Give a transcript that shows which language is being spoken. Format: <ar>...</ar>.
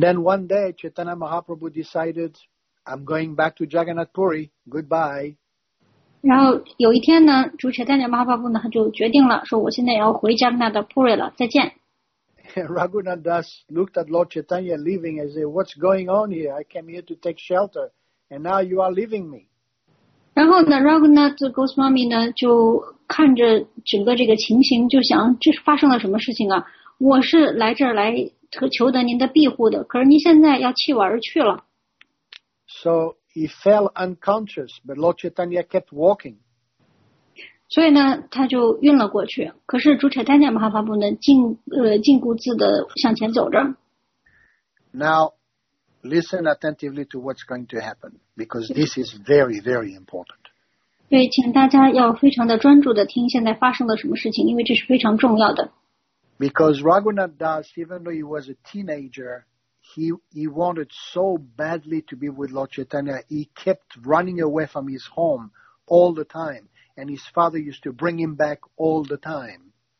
<en>then one day Chaitanya Mahaprabhu decided, I'm going back to Jagannath Puri. Goodbye.</en> <zh>然后有一天呢, 主持人的妈妈妈妈呢, 他就决定了, 说我现在要回Jagannath的Puri了, 再见。</zh> <en>Raghunath Das looked at Lord Chaitanya leaving and said, what's going on here? I came here to take shelter, and now you are leaving me.</en> <zh>然后呢, Raghunath Goswami呢, 就看着整个这个情形, 就想, 这发生了什么事情啊? 我是来这儿来求得您的庇护的, 可是您现在要弃我而去了。</zh> <en>So he fell unconscious, but Lord Chaitanya kept walking.</en> <zh>所以呢，他就晕了过去。可是主持人丹尼马哈巴布呢，尽顾自的向前走着。Now,</zh> <en>listen attentively to what's going to happen, because this is very, very important.</en> <zh>对，请大家要非常的专注的听现在发生了什么事情，因为这是非常重要的。Because</zh> <en>Raghunath Das, even though he was a teenager, He wanted so badly to be with Lord Chaitanya, he kept running away from his home all the time. And his father used to bring him back all the time.</en>